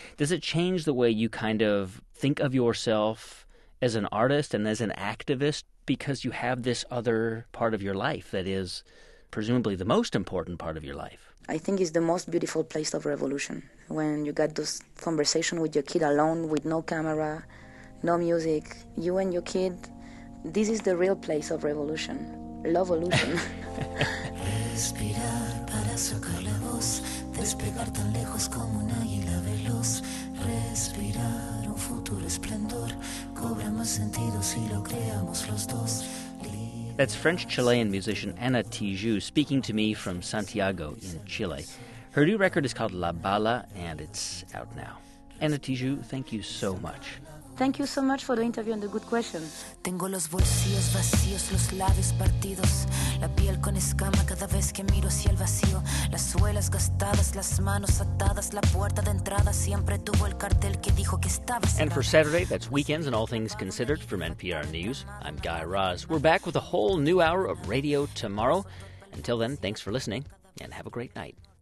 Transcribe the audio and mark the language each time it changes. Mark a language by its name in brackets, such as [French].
[English] Does it change the way you kind of think of yourself as an artist and as an activist, because you have this other part of your life that is presumably the most important part of your life? I think it's the most beautiful place of revolution, when you got those conversation with your kid alone, with no camera, no music. You and your kid, this is the real place of revolution. Love-olution. [Spanish] Respirar para sacar la voz, despegar tan lejos como un águila veloz. Respirar un futuro esplendor, cobra más sentido si lo creamos los dos. [English] That's French-Chilean musician Ana Tijoux speaking to me from Santiago in Chile. Her new record is called La Bala, and it's out now. Ana Tijoux, thank you so much. Thank you so much for the interview and the good question. [Spanish] Tengo los bolsillos vacíos, los labios partidos, la piel con escama cada vez que miro hacia el vacío, las suelas gastadas, las manos atadas, la puerta de entrada siempre tuvo el cartel que dijo que estaba. [English] And for Saturday, that's Weekends and All Things Considered from NPR News. I'm Guy Raz. We're back with a whole new hour of radio tomorrow. Until then, thanks for listening, and have a great night.